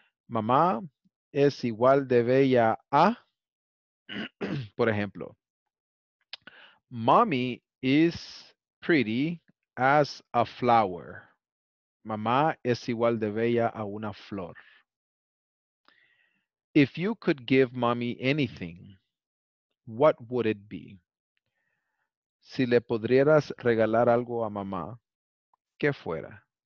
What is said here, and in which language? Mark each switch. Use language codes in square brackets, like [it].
[es] Mamá es igual de bella a, por ejemplo, [en] mommy is pretty as a flower. [es] Mamá es igual de bella a una flor. [en] If you could give mommy anything, what would it be? [es] Si le podrieras regalar algo a mamá, ¿qué fuera?